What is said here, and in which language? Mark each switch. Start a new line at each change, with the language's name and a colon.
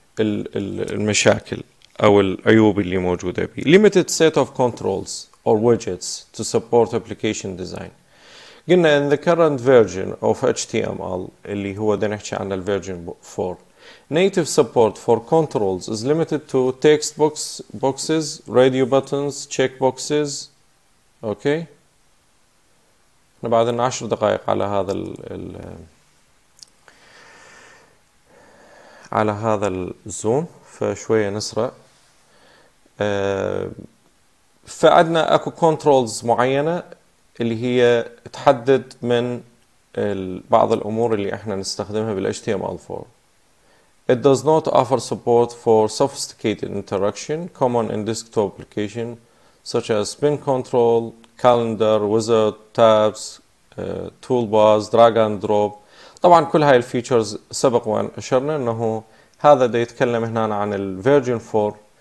Arabic: المشاكل أو العيوب اللي موجودة بي.
English: Limited set of controls or widgets to support application design.
Arabic: قلنا
English: in the current version of HTML
Arabic: اللي هو ده نحكي عن الفيرجن 4.
English: Native support for controls is limited to text box boxes, radio buttons, check boxes. Okay.
Arabic: بعد 10 دقائق على هذا الـ على هذا الزوم فشوية نسرع. فعندنا اكو كنترولز معينة اللي هي تحدد من بعض الامور اللي احنا نستخدمها بال HTML4.
English: It does not offer support for sophisticated interaction common in desktop application such as pin control, calendar, wizard, tabs, toolbars, drag and drop.
Arabic: طبعا كل هاي الفيتشرز سبق وان اشرنا انه هذا دا يتكلم هنا عن الفيرجن 4.